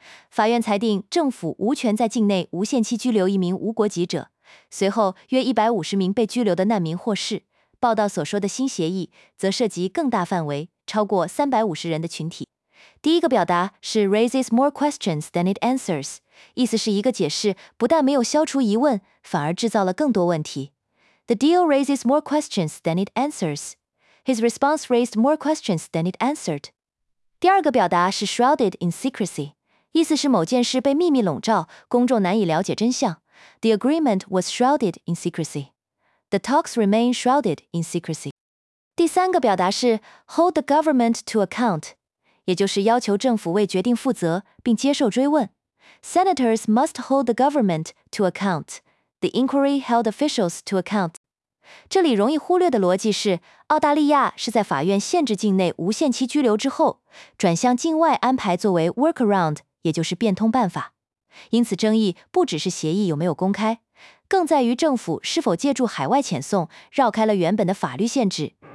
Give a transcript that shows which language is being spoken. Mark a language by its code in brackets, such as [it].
[zh] 法院裁定政府无权在境内无限期拘留一名无国籍者，随后约150名被拘留的难民获释。报道所说的新协议则涉及更大范围，超过350人的群体。第一个表达是 [en] raises more questions than it answers， [zh] 意思是一个解释不但没有消除疑问，反而制造了更多问题。 [en] The deal raises more questions than it answers. His response raised more questions than it answered. [zh] 第二个表达是 [en] shrouded in secrecy， [zh] 意思是某件事被秘密笼罩，公众难以了解真相。 [en] The agreement was shrouded in secrecy. The talks remain shrouded in secrecy. [zh] 第三个表达是 [en] hold the government to account， [zh] 也就是要求政府为决定负责，并接受追问。 [en] Senators must hold the government to account. The inquiry held officials to account. [zh] 这里容易忽略的逻辑是，澳大利亚是在法院限制境内无限期拘留之后，转向境外安排作为 workaround， 也就是变通办法。因此争议不只是协议有没有公开，更在于政府是否借助海外遣送绕开了原本的法律限制。